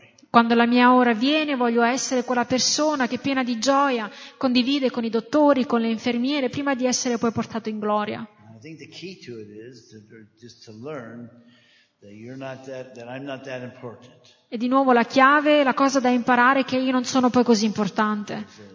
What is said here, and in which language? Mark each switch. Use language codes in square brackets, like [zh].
[it] Quando la mia ora viene, voglio essere quella persona che piena di gioia condivide con i dottori, con le infermiere, prima di essere poi portato in gloria. [en] I think the key to it is just to learn that you're not that, that I'm not that important. [it] E di nuovo la chiave, la cosa da imparare è che io non sono poi così importante.